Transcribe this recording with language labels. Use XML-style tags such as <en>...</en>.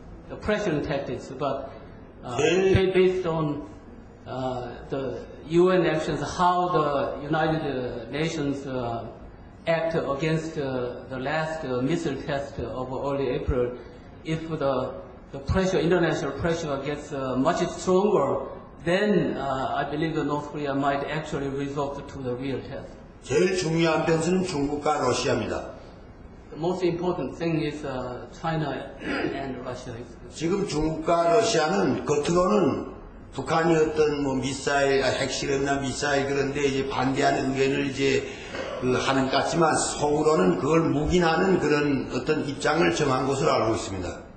<en>pressuring tactics, but based on the UN actions, how the United Nations act against the last missile test of early April, if the pressure, international pressure gets much stronger, then I believe the North Korea might actually resort to the real test.</en> <ko>제일 중요한 변수는 중국과 러시아입니다.</ko> <en>The most important thing is China and Russia.</en> <ko>지금 중국과 러시아는 겉으로는 북한이 어떤 뭐 미사일, 핵실험이나 미사일 그런데 이제 반대하는 의견을 이제 하는 것 같지만 속으로는 그걸 묵인하는 그런 어떤 입장을 정한 것으로 알고 있습니다.</ko>